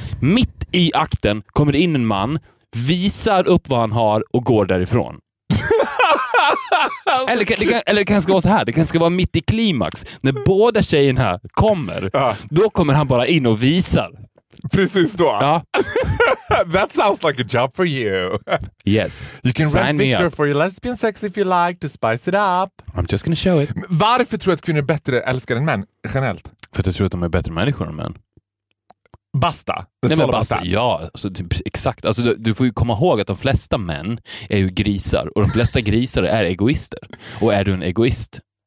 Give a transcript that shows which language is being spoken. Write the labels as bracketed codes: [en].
[sv] Mitt i akten kommer in en man, visar upp vad han har och går därifrån. Eller det kanske kan vara så här. Det kanske vara mitt i klimax. När båda tjejerna kommer, då kommer han bara in och visar. Precis då. Ja. [en] That sounds like a job for you. Yes. You can rent Victor for your lesbian sex if you like to spice it up. I'm just gonna show it. [sv] Varför tror du att kvinnor är bättre älskade än män generellt? För att jag tror att de är bättre människor än män. Basta. Nej, men basta. Ja, alltså, exakt. Alltså, du får ju komma ihåg att de flesta män är ju grisar. Och de flesta grisar är egoister. Och är du en egoist?